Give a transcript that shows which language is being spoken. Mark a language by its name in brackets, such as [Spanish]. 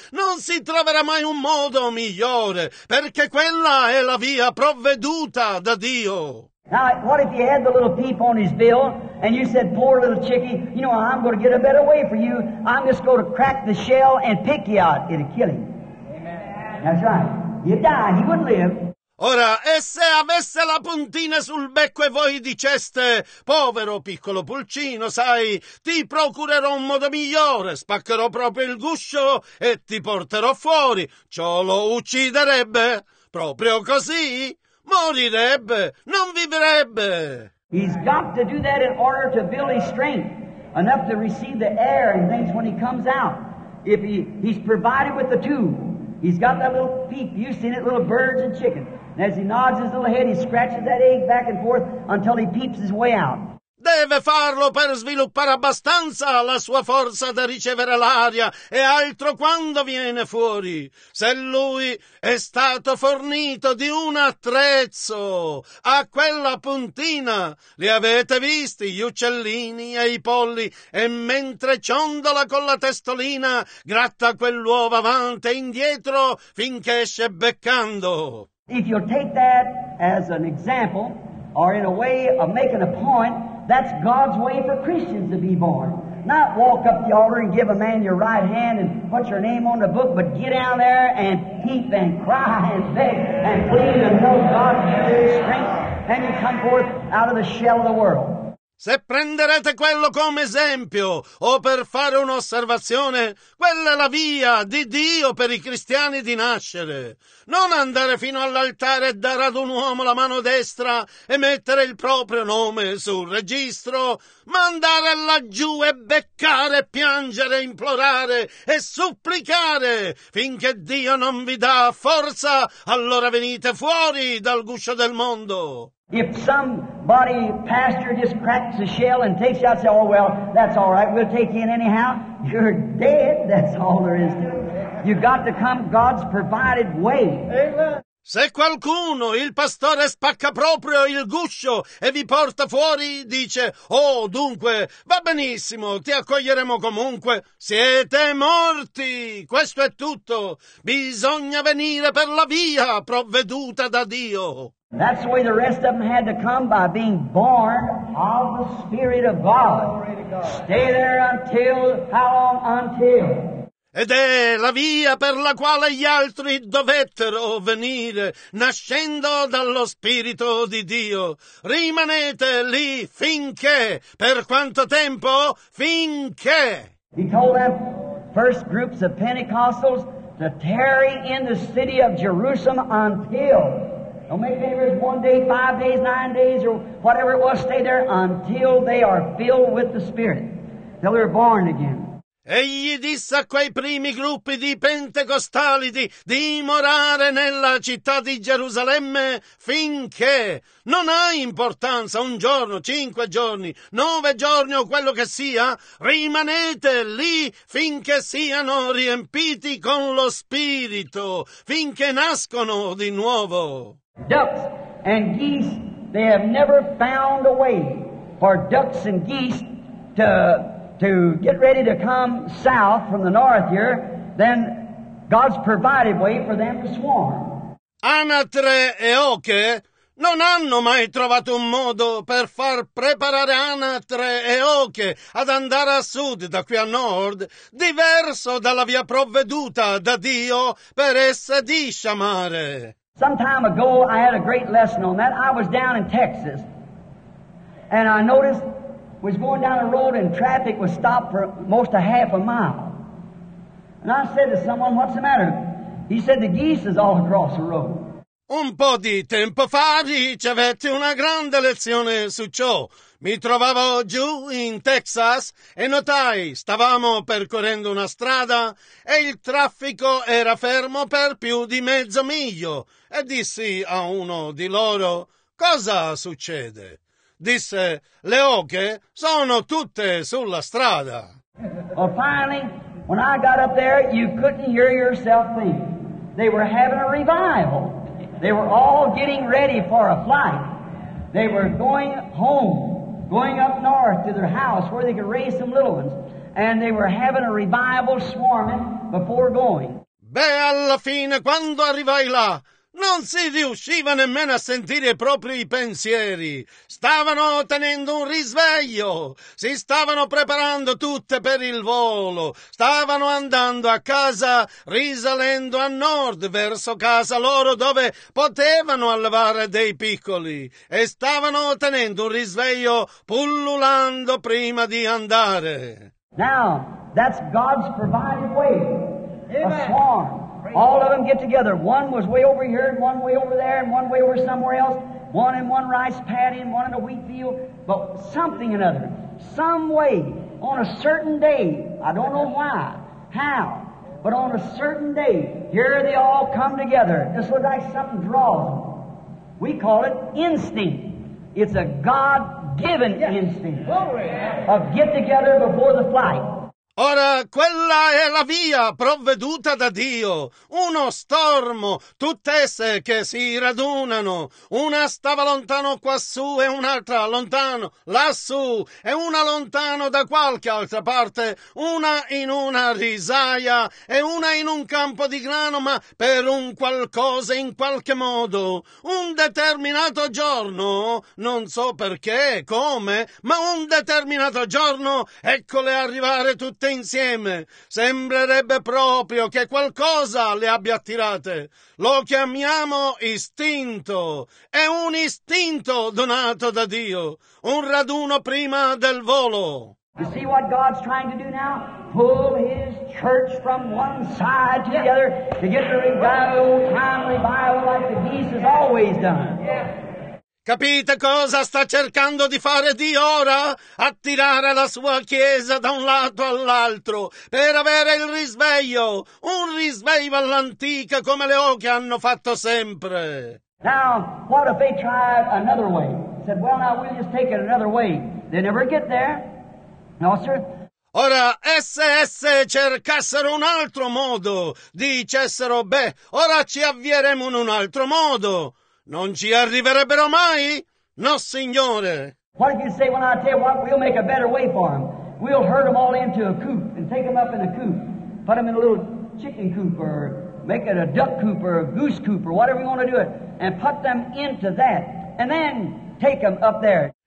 [Italian] Non si troverà mai un modo migliore, perché quella è la via provveduta da Dio. [English] Now, what if you had the little peep on his bill, and you said, poor little chickie, you know, I'm going to get a better way for you. I'm just going to crack the shell and pick you out. It'd kill him. Amen. That's right. You'd die. He wouldn't live. [Italian] Ora, e se avesse la puntina sul becco e voi diceste, povero piccolo pulcino, sai, ti procurerò un modo migliore, spaccherò proprio il guscio e ti porterò fuori. Ciò lo ucciderebbe? Proprio così? Morirebbe, non vivrebbe. [English] He's got to do that in order to build his strength, enough to receive the air and things when he comes out. If he's provided with the tube, he's got that little peep, you've seen it, little birds and chickens. And as he nods his little head, he scratches that egg back and forth until he peeps his way out. [Italian] Deve farlo per sviluppare abbastanza la sua forza da ricevere l'aria e altro quando viene fuori. Se lui è stato fornito di un attrezzo, a quella puntina li avete visti, gli uccellini e i polli, e mentre ciondola con la testolina, gratta quell'uovo avanti e indietro finché esce beccando. [English] If you take that as an example, or in a way of making a point, that's God's way for Christians to be born. Not walk up the altar and give a man your right hand and put your name on the book, but get down there and peep and cry and beg and plead and know God gives you strength and you come forth out of the shell of the world. [Italian] Se prenderete quello come esempio o per fare un'osservazione, quella è la via di Dio per i cristiani di nascere. Non andare fino all'altare e dare ad un uomo la mano destra e mettere il proprio nome sul registro, ma andare laggiù e beccare, piangere, implorare e supplicare finché Dio non vi dà forza, allora venite fuori dal guscio del mondo. [English] If somebody, pastor, just cracks a shell and takes you out and says, oh, well, that's all right, we'll take you in anyhow, you're dead. That's all there is to it. You've got to come God's provided way. Amen. [Italian] Se qualcuno, il pastore, spacca proprio il guscio e vi porta fuori, dice, oh, dunque, va benissimo, ti accoglieremo comunque. Siete morti, questo è tutto. Bisogna venire per la via provveduta da Dio. [English] That's the way the rest of them had to come, by being born of the Spirit of God. Stay there until, how long? Until. [Italian] Ed è la via per la quale gli altri dovettero venire, nascendo dallo Spirito di Dio. Rimanete lì finché, per quanto tempo? Finché. [English] He told them first groups of Pentecostals to tarry in the city of Jerusalem until. Don't make any difference, 1 day, 5 days, 9 days, or whatever it was, stay there until they are filled with the Spirit, till they're born again. [Italian] Egli disse a quei primi gruppi di pentecostali di dimorare nella città di Gerusalemme finché. Non ha importanza un giorno, 5 giorni, 9 giorni o quello che sia. Rimanete lì finché siano riempiti con lo Spirito, finché nascono di nuovo. [English] Ducks and geese, they have never found a way for ducks and geese to get ready to come south from the north here, then God's provided way for them to swarm. [Italian] Anatre e oche non hanno mai trovato un modo per far preparare anatre e oche ad andare a sud da qui a nord, diverso dalla via provveduta da Dio per esse di sciamare. [English] Some time ago I had a great lesson on that. I was down in Texas and I noticed, was going down the road and traffic was stopped for most a half a mile. And I said to someone, what's the matter? He said, the geese is all across the road. [Italian] Un po' di tempo fa ricevetti una grande lezione su ciò. Mi trovavo giù in Texas e notai, stavamo percorrendo una strada e il traffico era fermo per più di mezzo miglio. E dissi a uno di loro, cosa succede? Disse, le oche sono tutte sulla strada. [English] Well, finally, when I got up there, you couldn't hear yourself think. They were having a revival. They were all getting ready for a flight. They were going home, going up north to their house where they could raise some little ones. And they were having a revival swarming before going. [Italian] Beh, alla fine, quando arrivai là, non si riusciva nemmeno a sentire i propri pensieri. Stavano tenendo un risveglio, si stavano preparando tutte per il volo, stavano andando a casa risalendo a nord verso casa loro dove potevano allevare dei piccoli e stavano tenendo un risveglio pullulando prima di andare. [English] Now, that's God's provided way. A swarm. All of them get together. One was way over here, and one way over there, and one way over somewhere else. One in one rice paddy, and one in a wheat field. But something or other, some way, on a certain day, I don't know why, how, but on a certain day, here they all come together. Just look like something draws them. We call it instinct. It's a God-given instinct of get together before the flight. [Italian] Ora, quella è la via provveduta da Dio. Uno stormo, tutt'esse che si radunano. Una stava lontano quassù e un'altra lontano lassù. E una lontano da qualche altra parte. Una in una risaia e una in un campo di grano, ma per un qualcosa in qualche modo. Un determinato giorno, non so perché, come, ma un determinato giorno, eccole arrivare tutte insieme. Sembrerebbe proprio che qualcosa le abbia attirate. Lo chiamiamo istinto. È un istinto donato da Dio. Un raduno prima del volo. [English] You see what God's trying to do now? Pull his church from one side to the other to get the revival, time revival like the geese has always done. [Italian] Capite cosa sta cercando di fare di ora? Attirare la sua chiesa da un lato all'altro per avere il risveglio, un risveglio all'antica come le oche hanno fatto sempre. [English] Now, what if they tried another way? Said, well, now we'll just take it another way. They never get there. No, sir. [Italian] Ora, esse cercassero un altro modo, dicessero, beh, ora ci avvieremo in un altro modo. Non ci arriverebbero mai? No, signore. [English] What if you say when I tell you what, we'll make a better way for them. We'll herd them all into a coop and take them up in a coop. Put them in a little chicken coop or make it a duck coop or a goose coop or whatever you want to do it. And put them into that and then take them up there.